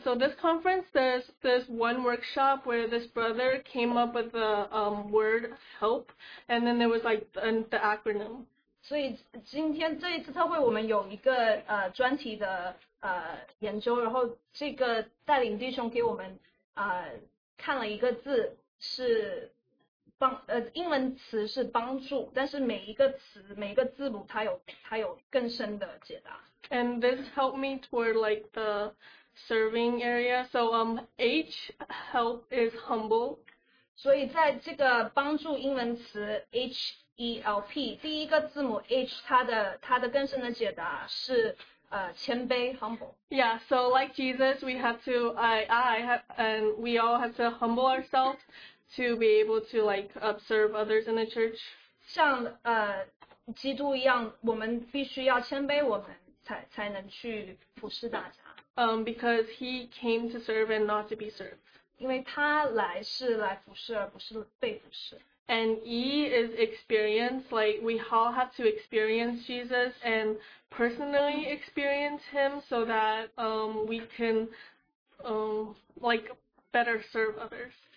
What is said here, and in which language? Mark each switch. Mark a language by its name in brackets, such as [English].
[English] so this conference, there's one workshop where this brother came up with the word help, and then there was like the acronym. [Chinese] 所以今天这一次特会我们有一个专题的 研究，然后这个带领弟兄给我们看了一个字是帮，英文词是帮助，但是每一个字每一个字母它有更深的解答。 [English] And this helped me toward like the serving area. So H help is humble. [Chinese] 所以在这个帮助英文词 H E L P 第一个字母 H 它的更深的解答是 谦卑, humble. [English] Yeah, so like Jesus, we have to, and we all have to humble ourselves to be able to like observe others in the church. [Chinese] 像, 基督一样，我们必须要谦卑，我们才能去服侍大家。 [English] Because he came to serve and not to be served. [Chinese] 因为他来是来服侍，而不是被服侍。 [English] And E is experience, like we all have to experience Jesus and personally experience him so that we can like better serve others.